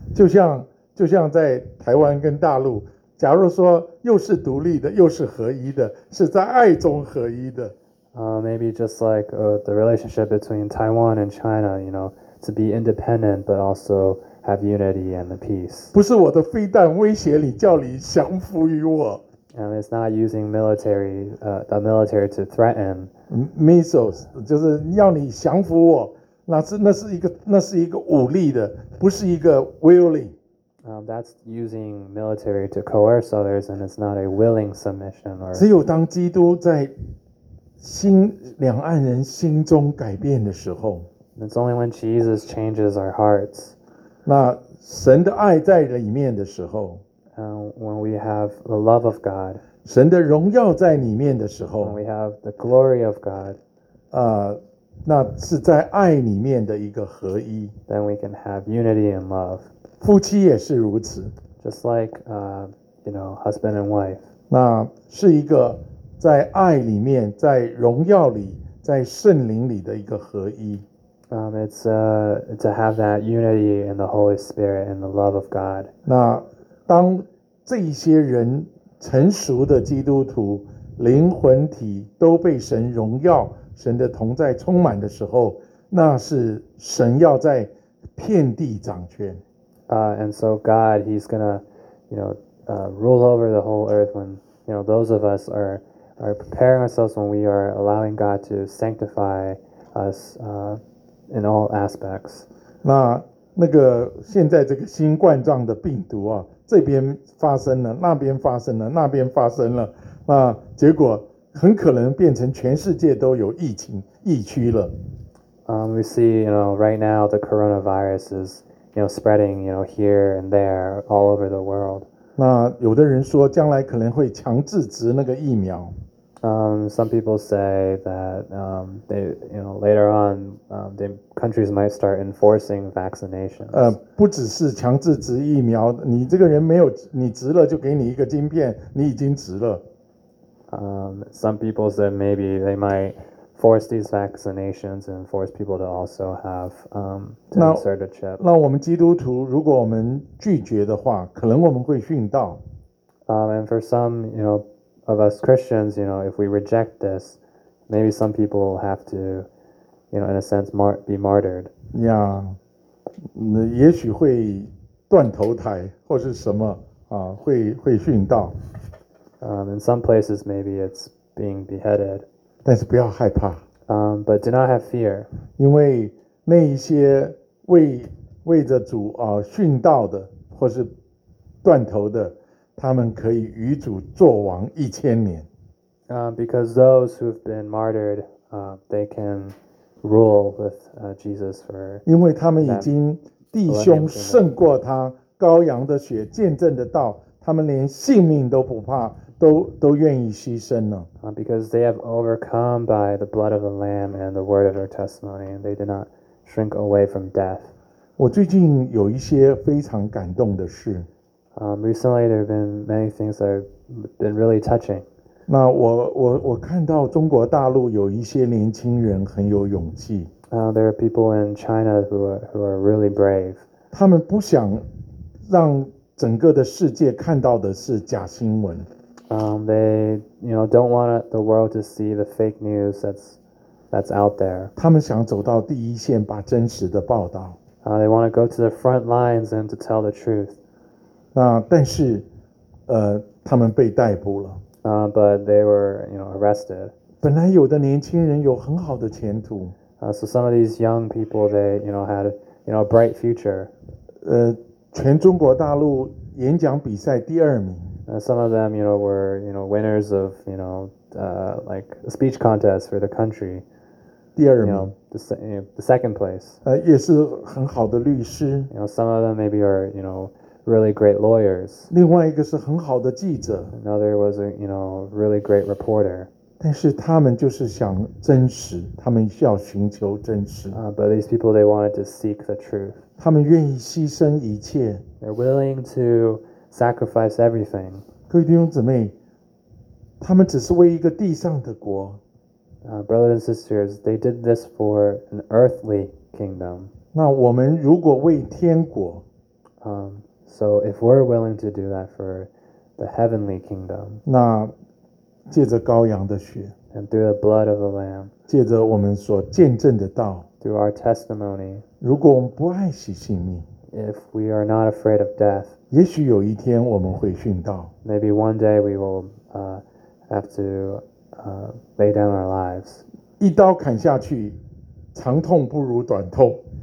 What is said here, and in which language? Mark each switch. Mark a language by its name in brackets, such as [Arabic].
[Chinese] 就像在台湾跟大陆，假如说又是独立的，又是合一的，是在爱中合一的。 [English] Maybe just like the relationship between Taiwan and China, you know, to be independent but also have unity and the peace. [Chinese] 不是我的飞弹威胁你，叫你降服于我。 [English] And it's not using military, the military to threaten. [Chinese] Missiles 就是要你降服我。那是一个武力的，不是一个 willing。 [English] That's using military to coerce others, and it's not a willing submission. Or [Chinese] 只有当基督在心两岸人心中改变的时候 [English] ，It's only when Jesus changes our hearts. [Chinese] 那神的爱在里面的时候 [English] ，When we have the love of God. [Chinese] 神的荣耀在里面的时候 [English] ，When we have the glory of God. [Chinese] 那是在爱里面的一个合一。 [English] Then we can have unity and love. [Chinese] 夫妻也是如此。 [English] Just like, you know, husband and wife. [Chinese] 那是一个在爱里面，在荣耀里，在圣灵里的一个合一。 [English] It's to have that unity in the Holy Spirit and the love of God. [Chinese] 那当这一些人成熟的基督徒，灵魂体都被神荣耀。神的同在充满的时候，那是神要在遍地掌权。 [English] And so God, he's gonna, you know, rule over the whole earth when, you know, those of us are preparing ourselves when we are allowing God to sanctify us in all aspects. [Chinese] 那个现在这个新冠状的病毒啊，这边发生了，那边发生了，那边发生了，那结果很可能变成全世界都有疫情疫区了。 [English] We see, you know, right now the coronavirus is, you know, spreading, you know, here and there, all over the world. [Chinese] 那有的人说将来可能会强制植那个疫苗。 [English] Some people say that they, you know, later on, the countries might start enforcing vaccinations. [Chinese] 不只是强制植疫苗，你这个人没有，你植了就给你一个晶片，你已经植了。 [English] Some people said maybe they might force these vaccinations and force people to also have to insert a chip. [Chinese] 那我们基督徒，如果我们拒绝的话，可能我们会殉道。 [English] And for some, you know. Of us Christians, you know, if we reject this, maybe some people have to, you know, in a sense, be martyred. [Chinese] Yeah, 也许会断头台或是什么啊，会殉道。 [English] In some places, maybe it's being beheaded. [Chinese] 但是不要害怕。 [English] But do not have fear. [Chinese] 因为那一些为着主啊殉道的或是断头的。他们可以与主作王一千年。 [English] Because those who have been martyred, they can rule with Jesus for. [Chinese] 因为他们已经弟兄胜过他，羔羊的血见证的道，他们连性命都不怕，都愿意牺牲了。 [English] Because they have overcome by the blood of the Lamb and the word of their testimony, and they did not shrink away from death. [Chinese] 我最近有一些非常感动的事。 [English] Recently, there have been many things that have been really touching. [Chinese] 那我看到中国大陆有一些年轻人很有勇气。 [English] There are people in China who are really brave. [Chinese] 他们不想让整个的世界看到的是假新闻。 [English] They, you know, don't want the world to see the fake news that's out there. [Chinese] 他们想走到第一线，把真实的报道。 [English] They want to go to the front lines and to tell the truth. [Chinese] 那但是，他们被逮捕了。 [English] But they were, you know, arrested. [Chinese] 本来有的年轻人有很好的前途。 [English] So some of these young people, they, you know, had, you know, a bright future. [Chinese] 全中国大陆演讲比赛第二名。 [English] Some of them, you know, were, you know, winners of, you know, like a speech contest for the country. [Chinese] 第二名。 [English] You know, the second place. [Chinese] 也是很好的律师。 [English] You know, some of them maybe are, you know. Really great lawyers. [Chinese] 另外一个是很好的记者。 [English] Another was a, you know, really great reporter. [Chinese] 但是他们就是想真实，他们需要寻求真实。 [English] But these people, they wanted to seek the truth. [Chinese] 他们愿意牺牲一切。 [English] They're willing to sacrifice everything. [Chinese] 各位弟兄姊妹，他们只是为一个地上的国。 [English] Brothers and sisters, they did this for an earthly kingdom. [Chinese] 那我们如果为天国， [English] So if we're willing to do that for the heavenly kingdom, [Chinese] 那借着羔羊的血 [English] and through the blood of the Lamb, [Chinese] 借着我们所见证的道 [English] through our testimony, [Chinese] 如果我们不爱惜性命 [English] if we are not afraid of death, [Chinese] 也许有一天我们会殉道 [English] maybe one day we will have to lay down our lives. [Chinese] 一刀砍下去，长痛不如短痛。